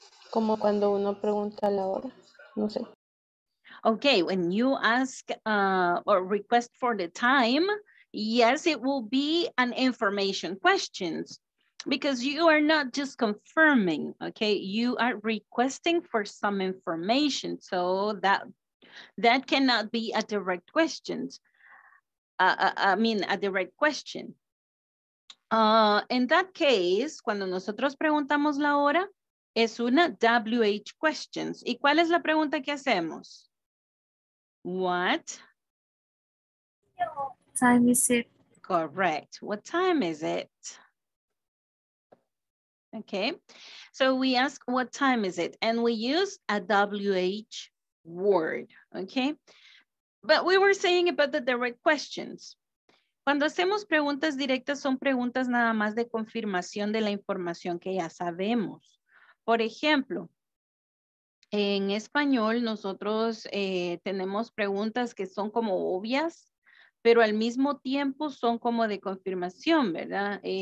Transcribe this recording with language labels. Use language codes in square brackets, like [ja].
[es] Como cuando uno pregunta la hora, no sé. [en] Okay, when you ask or request for the time, yes, it will be an information question because you are not just confirming, okay? You are requesting for some information, so that cannot be a direct question. A direct question. In that case, [es] cuando nosotros preguntamos la hora, es una WH questions. ¿Y cuál es la pregunta que hacemos? [en] What time is it? Correct. What time is it? Okay. So we ask what time is it? And we use a WH word. Okay. But we were saying about the direct questions. [es] Cuando hacemos preguntas directas, son preguntas nada más de confirmación de la información que ya sabemos. Por ejemplo, en español nosotros tenemos preguntas que son como obvias, pero al mismo tiempo son como de confirmación, ¿verdad?